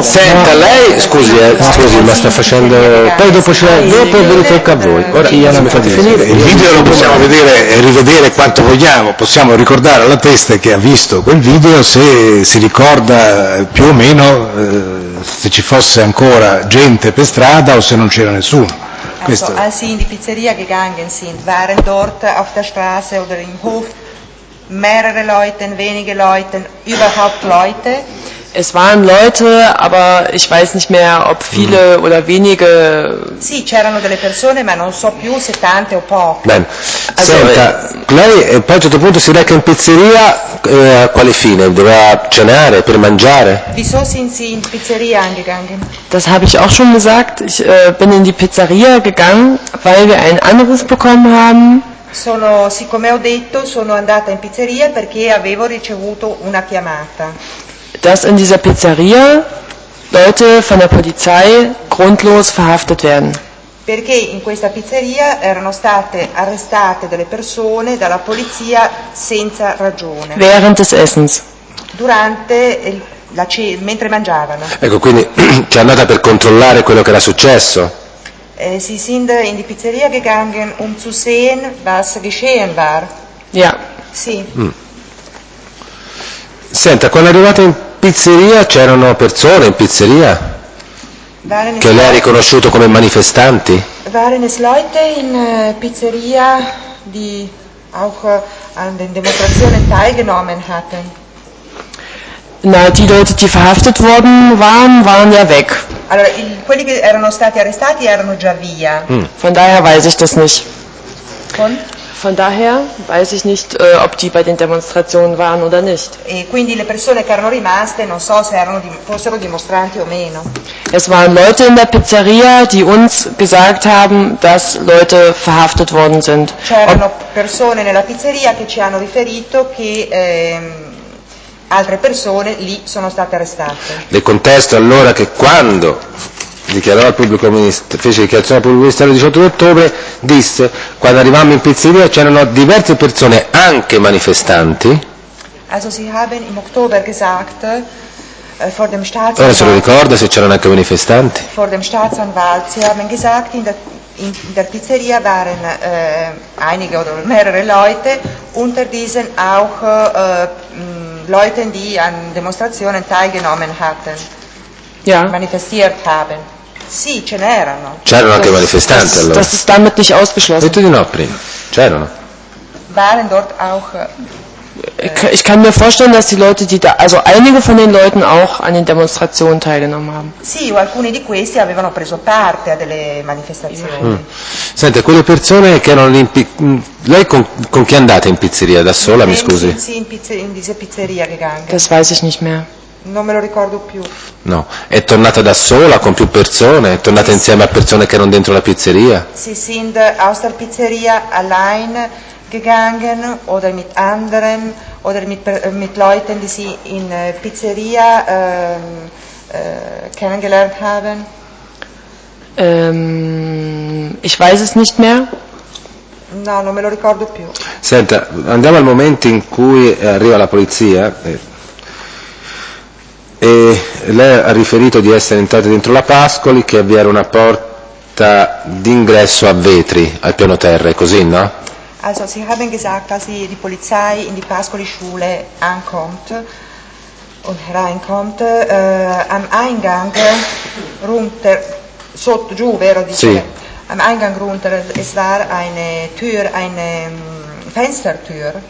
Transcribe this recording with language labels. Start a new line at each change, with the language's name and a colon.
Italian: senta, lei scusi, ma sta facendo, poi dopo c'è, dopo ve lo tocca a voi. Ora io non mi fate finire il video, lo possiamo vedere e rivedere quanto vogliamo, possiamo ricordare alla testa che ha visto quel video se si ricorda più o meno, se ci fosse ancora gente per strada o se non c'era nessuno.
German: Questo al sind die Pizzeria gegangen sind, waren dort auf der Straße oder im Hof mehrere Leute, wenige Leute, überhaupt Leute? Es waren Leute, aber ich weiß nicht mehr, ob viele oder wenige.
Italian: Sì, c'erano delle persone, ma non so più se tante o poche. Bene. Senta, lei poi a un certo punto si reca in pizzeria, a quale fine? Doveva cenare per mangiare?
German: Wieso sind Sie in pizzeria angegangen? Das habe ich auch schon gesagt. Ich bin in die Pizzeria gegangen, weil wir ein anderes bekommen haben.
Italian: Sono, siccome ho detto, sono andata in pizzeria perché avevo ricevuto una chiamata.
German: Dass in dieser Pizzeria Leute von der Polizei grundlos verhaftet werden.
Italian: Perché in questa pizzeria erano state arrestate delle persone dalla polizia senza ragione.
German: Während des Essens.
Italian: Durante il, la, mentre mangiavano. Ecco, quindi c'è andata per controllare quello che era successo.
German: Sie sind in die Pizzeria gegangen, um zu sehen, was geschehen war. Ja.
Italian: Sì. Senta, quando è arrivata in pizzeria c'erano persone in pizzeria che lei ha riconosciuto come manifestanti?
German: Waren es Leute in pizzeria die auch an den Demonstrationen teilgenommen hatten? Na, die Leute die verhaftet worden waren, waren ja weg.
Italian: Allora, quelli che erano stati arrestati erano già via.
German: Von daher weiß ich das nicht. Von? Von daher weiß ich nicht, ob die bei den Demonstrationen waren oder nicht.
Italian: E quindi le persone che erano rimaste, non so se erano, fossero dimostranti o meno.
German: Es waren Leute in der Pizzeria, die uns gesagt haben, dass Leute verhaftet worden sind.
Italian: C'erano persone nella pizzeria che ci hanno riferito che altre persone lì sono state arrestate. Le contesto allora che quando dichiarò al pubblico ministero, fece dichiarazione al pubblico ministero il 18 ottobre, disse: quando arrivammo in pizzeria c'erano diverse persone, anche manifestanti.
German: Also sie haben im Oktober gesagt, vor dem Staatsanwalt.
Italian: Ora se lo ricorda se c'erano anche manifestanti.
German: Vor dem Staatsanwalt, sie haben gesagt, in der Pizzeria waren einige oder mehrere Leute, unter diesen auch Leute, die an Demonstrationen teilgenommen hatten. Ja. Manifestiert haben.
Italian: Sì, ce n'erano. C'erano anche manifestanti allora.
German: Das ist damit nicht ausgeschlossen.
Italian: Detto di no prima. C'erano.
German: Waren dort auch. Ich kann mir vorstellen, dass die Leute, die da, also einige von den Leuten auch an den Demonstrationen teilgenommen haben.
Italian: Sì, o alcuni di questi avevano preso parte a delle manifestazioni. Mm. Senta, quelle persone che erano in lei con chi è andata in pizzeria da sola, mi scusi?
German: Sì, in diese Pizzeria gegangen. Das weiß ich nicht mehr.
Italian: Non me lo ricordo più. No, è tornata da sola con più persone, è tornata insieme a persone che erano dentro la pizzeria.
German: Sì, sind aus der Pizzeria allein gegangen oder mit anderen oder mit Leuten, die sie in Pizzeria kennengelernt haben. Ich weiß es nicht mehr.
Italian: No, non me lo ricordo più. Senta, andiamo al momento in cui arriva la polizia. e lei ha riferito di essere entrata dentro la Pascoli, che vi era una porta d'ingresso a vetri al piano terra, è così, no?
German: Also, Sie haben gesagt, dass sie die Polizei in die Pascoli Schule ankommt und hereinkommt am Eingang runter
Italian: sotto giù, vero dice? Sì.
German: Am Eingang runter, es war eine Tür, eine Fenstertür.